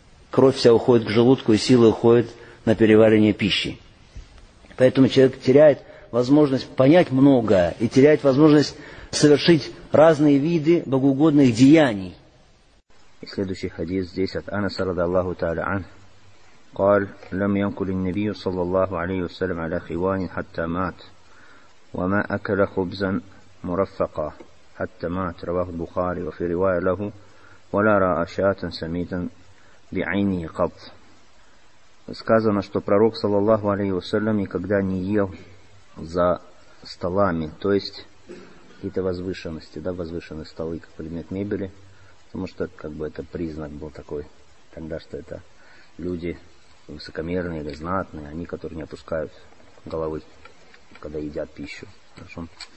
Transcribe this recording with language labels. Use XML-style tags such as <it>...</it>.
<ru>Кровь вся уходит к желудку, и силы уходят на переваривание пищи. Поэтому человек теряет возможность понять многое, и теряет возможность совершить разные виды богоугодных деяний. И следующий хадис здесь от Анаса радиаллаху тааля ан.</ru> <ar>قال لم يأكل النبي صلى الله عليه وسلم على خوان حتى مات وما أكل خبزا مرفقا حتى مات رواه البخاري وفي رواية له ولا رأى شاة سميتا بعينه قط.</ar> <ru>Сказано, что пророк саллаллаху алейхи ва саллям никогда не ел за столами, то есть какие-то возвышенности, да, возвышенные столы как предмет мебели, потому что как бы это признак был такой тогда, что это люди высокомерные или знатные, они, которые не опускают головы, когда едят пищу. Хорошо.</ru>